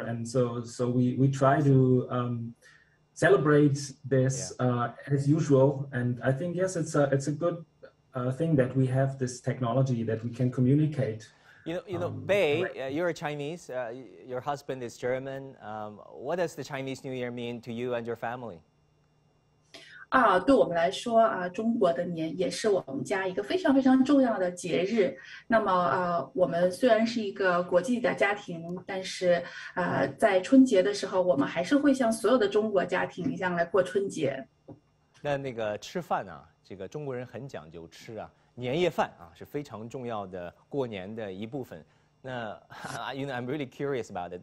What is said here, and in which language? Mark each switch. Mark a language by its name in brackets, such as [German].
[English] And so we try to celebrate this as usual. And I think, yes, it's a good thing that we have this technology that we can communicate. You know, Bei, you're a Chinese, your husband is German. What does the Chinese New Year mean to you and your family? [Chinese] 对我们来说中国的年也是我们家一个非常非常重要的节日。那么我们虽然是一个国际的家庭，但是在春节的时候我们还是会像所有的中国家庭一样来过春节。那个吃饭啊，这个中国人很讲究吃啊，年夜饭啊是非常重要的过年的一部分。 [English] 那 you know, I'm really curious about it.